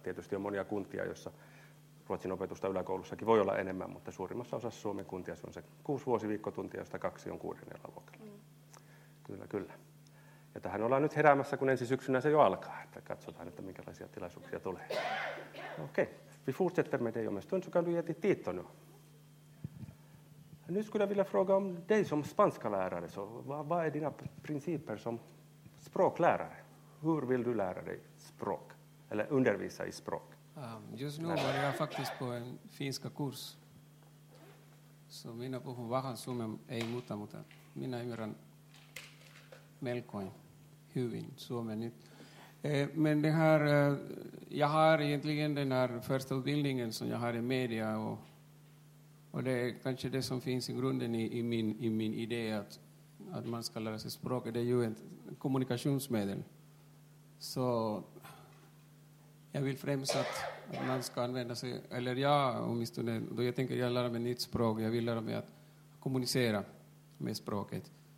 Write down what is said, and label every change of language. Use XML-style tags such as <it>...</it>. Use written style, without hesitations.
<fi>Tietysti on monia kuntia, joissa ruotsin opetusta yläkoulussakin voi olla enemmän, mutta suurimmassa osassa Suomen kuntia se on se 6 vuosiviikkotuntia, josta 2 on 6. luokalla. Mm. Kyllä, kyllä. Ja tähän ollaan nyt heräämässä, kun ensi syksynä se jo alkaa, että katsotaan, että minkälaisia tilaisuuksia tulee. Okei.</fi> <sv>Vi fortsätter med dig om en stund så kan du ge dig titta nu. Nu skulle jag vilja fråga om dig som spanskalärare. Så vad är dina principer som språklärare? Hur vill du lära dig språk? Eller undervisa i språk? Just nu var jag faktiskt på en finska kurs.</sv> <fi>Så mina puhun vahan suomen ei muuta, mutta minä ymmärrän melkoin hyvin suomen nyt.</fi> <sv>Men det här, jag har egentligen den här första utbildningen som jag har i media och det är kanske det som finns i grunden i min idé att man ska lära sig språk. Det är ju ett kommunikationsmedel. Så jag vill främst att man ska använda sig, eller jag åtminstone, då jag tänker jag lära mig nytt språk, jag vill lära mig att kommunicera med språket.</sv>